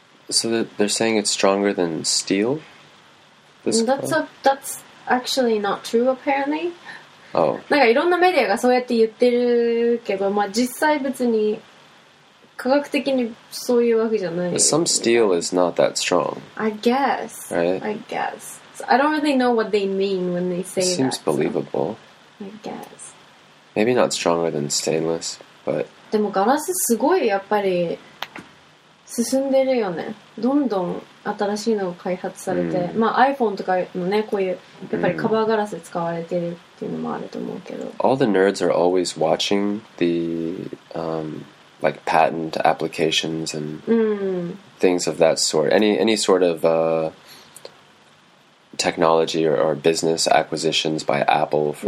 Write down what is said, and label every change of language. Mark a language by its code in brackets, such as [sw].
[en] So they're saying it's stronger than steel? That's actually not true apparently. Oh. [ja] なんかいろんなメディアがそうやって言ってるけど、まあ実際別に科学的にそういうわけじゃない。 [en] Some steel is not that strong. I guess. Right? I guess.、So、I don't really know what they mean when they say that. Seems believable. I guess. Maybe not stronger than stainless, but. [ja] でもガラスすごいやっぱり進んでるよね。どんどん新しいのを開発されて、mm. まあ iPhone とかのねこういうやっぱりカバーガラス使われてる。 [en] All the nerds are always watching the、like patent applications and、 mm. things of that sort. Any sort of、technology or business acquisitions by Apple, for